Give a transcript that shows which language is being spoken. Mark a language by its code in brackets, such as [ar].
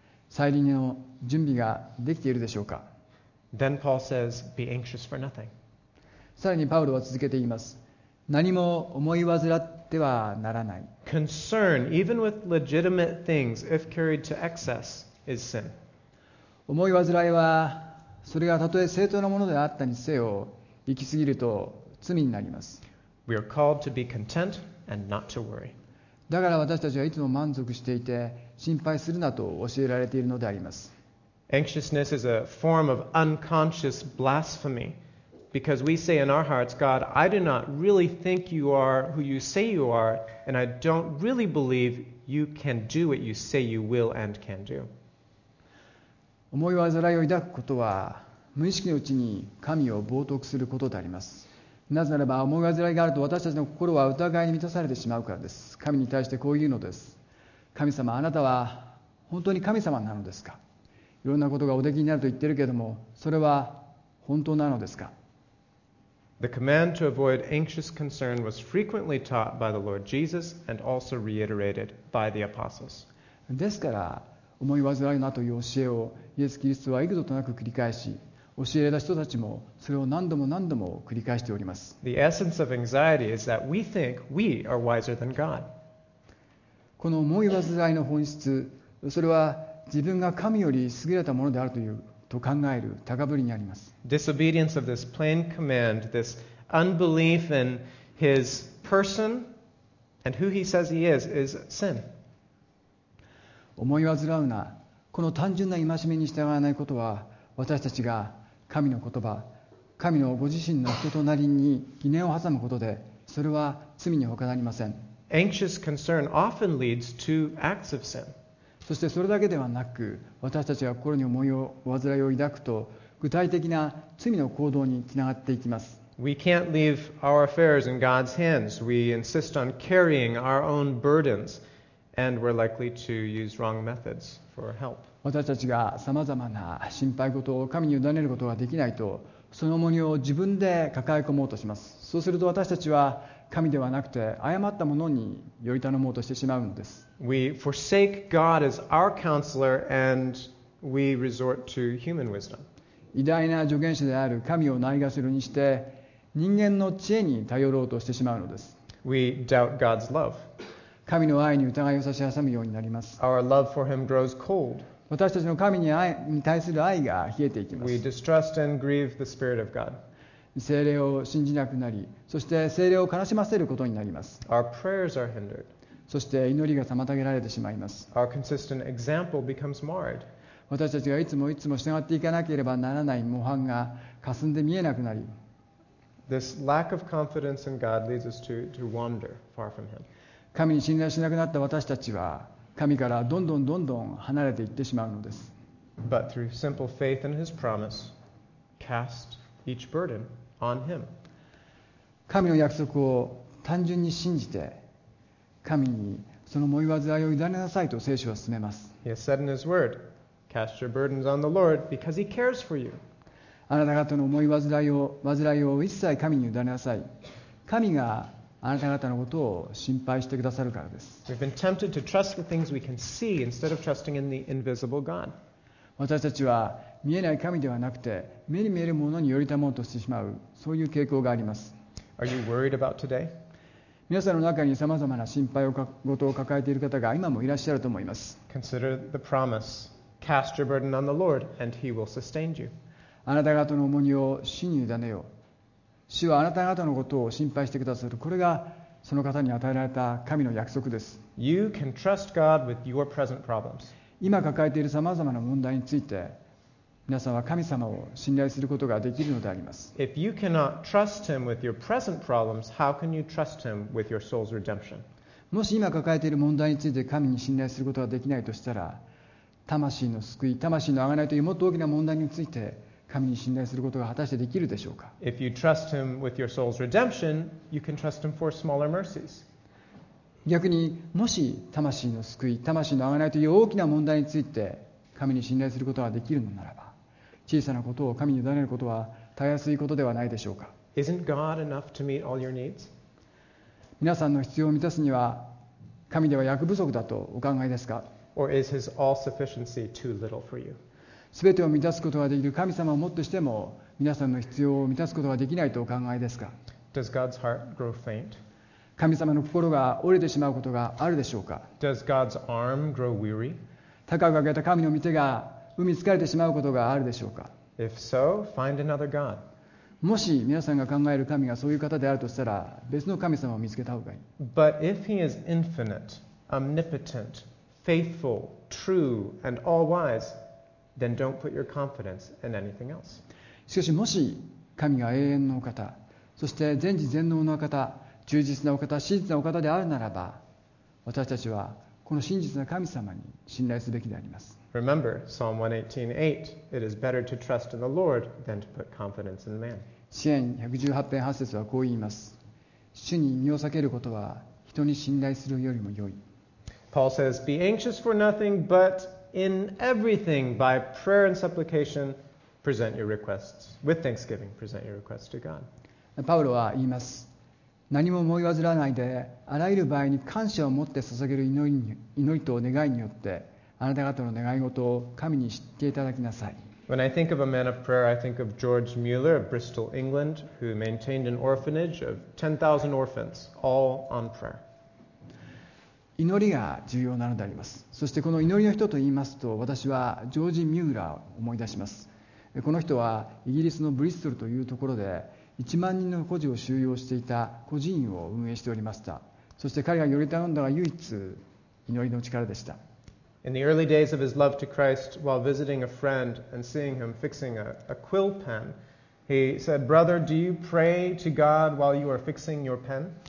[ja] 再臨の準備ができているでしょうか。 [en] Then Paul says, be anxious for nothing. [ja] さらにパウロは続けて言います。何も思い煩ってはならない。 [en] Concern, even with legitimate things, if carried to excess, is sin. [ja] 思い煩いは、それがたとえ正当なものであったにせよ、行き過ぎると罪になります。 [en] We are called to be content and not to worry. [ja] だから私たちはいつも満足していて、心配するなと教えられているのであります。 [en] Anxiousness is a form of unconscious blasphemy. Because we say in our hearts, God, I do not really think you are who you say you are, and I don't really believe you can do what you say you will and can do. [ja] 思い煩いを抱くことは、無意識のうちに神を冒涜することであります。なぜならば、思い煩いがあると私たちの心は疑いに満たされてしまうからです。神に対してこう言うのです。神様、あなたは本当に神様なのですか？いろんなことがおできになると言ってるけれども、それは本当なのですか？ [en] The command to avoid anxious concern was frequently taught by the Lord Jesus and also reiterated by the apostles. [ja] ですから、思い煩いなという教えをイエス・キリストは幾度となく繰り返し、教えた人たちもそれを何度も何度も繰り返しております。 [en] The essence of anxiety is that we think we are wiser than God. [ja] この思い煩いの本質、それは自分が神より優れたものであるという、と考える高ぶりにあります。 [en] Disobedience of this plain command, this unbelief in his person and who he says he is sin. [ja] 思い煩うな、この単純な戒めに従わないことは、私たちが神の言葉、神のご自身の人となりに疑念を挟むことで、それは罪に他なりません。 [en] Anxious concern often leads to acts of sin. [ja] そしてそれだけではなく、私たちが心に思いを煩いを抱くと、具体的な罪の行動につながっていきます。 [en] We can't leave our affairs in God's hands. We insist on carrying our own burdens, and we're likely to use wrong methods for help. [ja] 私たちがさまざまな心配事を神に委ねることができないと、その重荷を自分で抱え込もうとします。そうすると私たちは、神ではなくて誤ったものにより頼もうとしてしまうのです。 [en] We forsake God as our counselor and we resort to human wisdom. [ja] 偉大な助言者である神をないがしろにして人間の知恵に頼ろうとしてしまうのです。 [en] We doubt God's love. [ja] 神の愛に疑いを差し挟むようになります。 [en] Our love for him grows cold. [ja] 私たちの神に愛に対する愛が冷えていきます。 [en] We distrust and grieve the Spirit of God. [ja] 聖霊を信じなくなり、そして聖霊を悲しませることになります。 [en] Our prayers are hindered. [ja] そして祈りが妨げられてしまいます。 [en] Our consistent example becomes marred. [ja] 私たちがいつもいつも従っていかなければならない模範が霞んで見えなくなり、 [en] This lack of confidence in God leads us to wander far from Him. [ja] 神に信頼しなくなった私たちは、神からどんどんどんどん離れていってしまうのです。 [en] But through simple faith in His promise, cast each burden on him. 神の約束を単純に信じて、神にその思い煩いを委ねなさいと聖書は勧めます。 He has said in his word, Cast your burdens on the Lord because He cares for you. [ja] あなた方の思い煩いを一切神に委ねなさい。神があなた方のことを心配してくださるからです。 [en] We've been tempted to trust the things we can see instead of trusting in the invisible God. [ja] 私たちは見えない神ではなくて目に見えるものに寄りたもうとしてしまう、そういう傾向があります。 [en] Are you worried about today? [ja] 皆さんの中にさまざまな心配事を抱えている方が今もいらっしゃると思います。 [en] Consider the promise. Cast your burden on the Lord, and He will sustain you. [ja] あなた方の重荷を主に委ねよう。主はあなた方のことを心配してくださる。これがその方に与えられた神の約束です。 [en] You can trust God with your present problems. [ja] 今抱えているさまざまな問題について、皆さんは神様を信頼することができるのであります。 [en] If you cannot trust Him with your present problems, how can you trust Him with your soul's redemption? [ja] もし今抱えている問題について神に信頼することができないとしたら、魂の救い、魂の贖いというもっと大きな問題について、神に信頼することが果たしてできるでしょうか。 [en] If you trust Him with your soul's redemption, you can trust Him for smaller mercies. [ja] 逆に、もし魂の救い、魂の贖いという大きな問題について、神に信頼することができるのならば、小さなことを神に委ねることは、たやすいことではないでしょうか。 [en] Isn't God enough to meet all your needs? [ja] 皆さんの必要を満たすには、神では役不足だとお考えですか。 [en] Or is His all-sufficiency too little for you? [ja] すべてを満たすことができる神様をもってしても皆さんの必要を満たすことができないとお考えですか。 [en] Does God's heart grow faint? [ja] 神様の心が折れてしまうことがあるでしょうか。 [en] Does God's arm grow weary? [ja] 高く上げた神の御手が海疲れてしまうことがあるでしょうか。 [en] If so, find another God. [ja] もし皆さんが考える神がそういう方であるとしたら別の神様を見つけた方がいい。 [en] But if He is infinite, omnipotent, faithful, true, and all-wiseThen don't put your confidence in anything else. [ja] しかしもし神が永遠のお方、そして全知全能のお方、忠実なお方、真実なお方であるならば、私たちはこの真実な神様に信頼すべきであります。 [en] Remember, Psalm 118:8, it is better to trust in the Lord than to put confidence in man. [ja] 詩篇118編8節はこう言います。主に身を避けることは人に信頼するよりも良い。 [en] Paul says, be anxious for nothing but... In everything, by prayer and supplication, present your requests. With thanksgiving, present your requests to God. [ja] パウロは言います。何も思い煩わないで、あらゆる場合に感謝を持って捧げる祈りと願いによって、あなた方の願い事を神に知っていただきなさい。 [en] When I think of a man of prayer, I think of George Mueller of Bristol, England, who maintained an orphanage of 10,000 orphans, all on prayer. [ja] 祈りが重要なのであります。そしてこの祈りの人と言いますと、私はジョージ・ミューラーを思い出します。この人はイギリスのブリストルというところで1万人の孤児を収容していた孤児院を運営しておりました。そして彼が寄り頼んだのが唯一祈りの力でした。 [en] In the early days of his love to Christ, while visiting a friend and seeing him fixing a quill pen, he said, "Brother, do you pray to God while you are fixing your pen?"